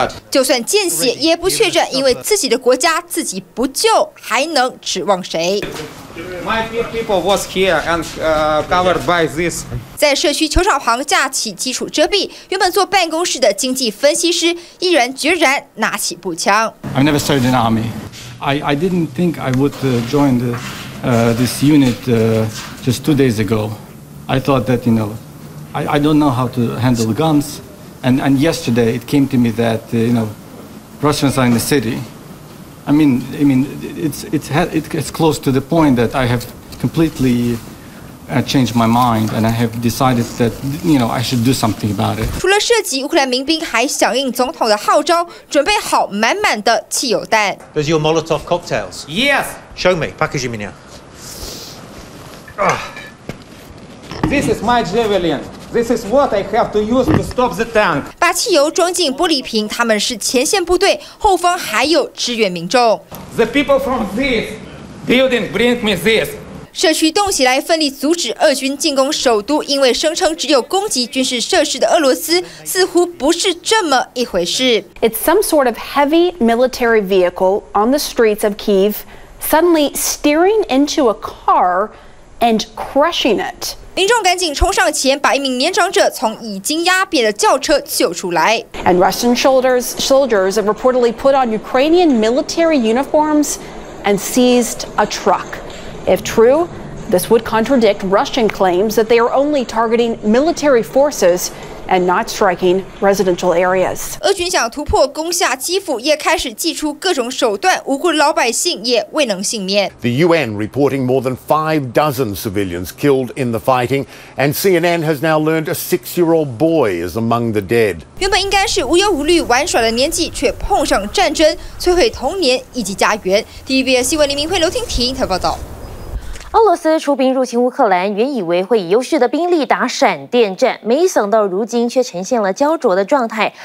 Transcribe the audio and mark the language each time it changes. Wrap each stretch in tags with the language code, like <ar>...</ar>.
<zh>就算见血也不怯战，因为自己的国家自己不救，还能指望谁？在社区球场旁架起基础遮蔽，原本做办公室的经济分析师毅然决然拿起步枪。</zh> <en>I've never served in army. I didn't think I would join this unit just 2 days ago. I thought that, you know, I don't know how to handle guns. And yesterday it came to me that, you know, Russians are in the city. I mean, it's close to the point that I have completely changed my mind and I have decided that, you know, I should do something about it.</en> <zh>除了射击，乌克兰民兵还响应总统的号召，准备好满满的汽油弹。</zh> <en>Does your Molotov cocktails? Yes. Show me. Package them in here. This is my javelin. This is what I have to use to stop the tank.</en> <zh>把汽油装进玻璃瓶，他们是前线部队，后方还有支援民众。</zh> <en>The people from this building bring me this.</en> <zh>社区动起来，奋力阻止俄军进攻首都。因为声称只有攻击军事设施的俄罗斯，似乎不是这么一回事。</zh> <en>It's some sort of heavy military vehicle on the streets of Kyiv, suddenly steering into a car and crushing it.</en> <zh>民众赶紧冲上前，把一名年长者从已经压扁的轿车救出来。</zh> <en>And Russian soldiers have reportedly put on Ukrainian military uniforms and seized a truck. If true, this would contradict Russian claims that they are only targeting military forces and not striking residential areas.</en> <zh>俄军想突破攻下基辅，也开始祭出各种手段，无辜老百姓也未能幸免。</zh> <en>The UN reporting more than 5 dozen civilians killed in the fighting, and CNN has now learned a 6-year-old boy is among the dead.</en> <zh>原本应该是无忧无虑玩耍的年纪，却碰上战争，摧毁童年以及家园。 TVBS 新闻黎明辉、刘婷婷台报道。俄罗斯出兵入侵乌克兰，原以为会以优势的兵力打闪电战，没想到如今却呈现了焦灼的状态。</zh>